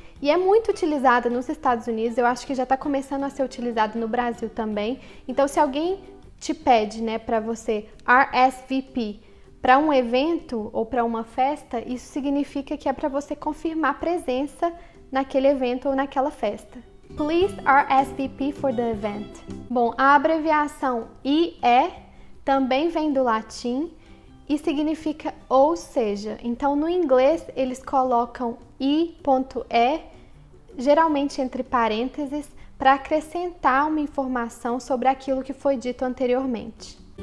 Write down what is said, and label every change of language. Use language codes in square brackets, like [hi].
[pt] E é muito utilizada nos Estados Unidos, eu acho que já está começando a ser utilizada no Brasil também. Então, se alguém te pede, né, para você RSVP, para um evento ou para uma festa, isso significa que é para você confirmar presença naquele evento ou naquela festa. [en] Please RSVP for the event. [pt] Bom, a abreviação IE também vem do latim e significa ou seja. Então, no inglês, eles colocam I.E, geralmente entre parênteses, para acrescentar uma informação sobre aquilo que foi dito anteriormente.